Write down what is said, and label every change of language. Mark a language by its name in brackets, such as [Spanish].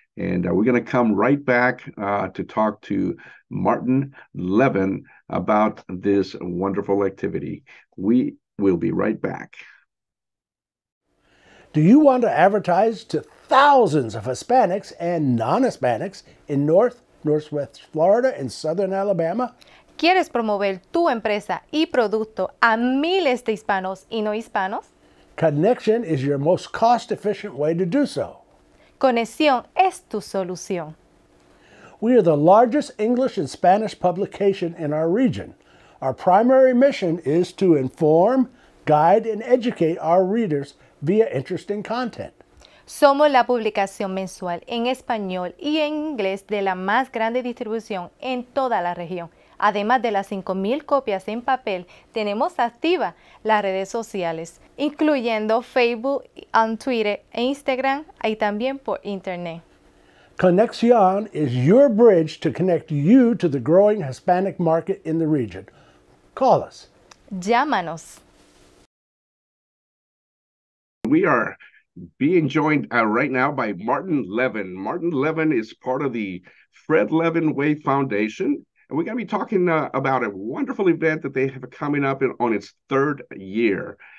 [English] And we're going to come right back to talk to Martin Levin about this wonderful activity. We will be right back. Do you want to advertise to thousands of Hispanics and non-Hispanics in North, Northwest Florida, and Southern Alabama? [Spanish] ¿Quieres promover tu empresa y producto a miles de hispanos y no hispanos? [English] Connection is your most cost-efficient way to do so. [Spanish] Conexión es tu solución. [English] We are the largest English and Spanish publication in our region. Our primary mission is to inform, guide, and educate our readers via interesting content. [Spanish] Somos la publicación mensual en español y en inglés de la más grande distribución en toda la región. Además de las 5,000 copias en papel, tenemos activa las redes sociales, incluyendo Facebook, Twitter e Instagram, y también por internet. [English] Conexión is your bridge to connect you to the growing Hispanic market in the region. Call us. [Spanish] Llámanos. [English] We are being joined right now by Martin Levin. Martin Levin is part of the Fred Levin Way Foundation, and we're going to be talking about a wonderful event that they have coming up on its third year.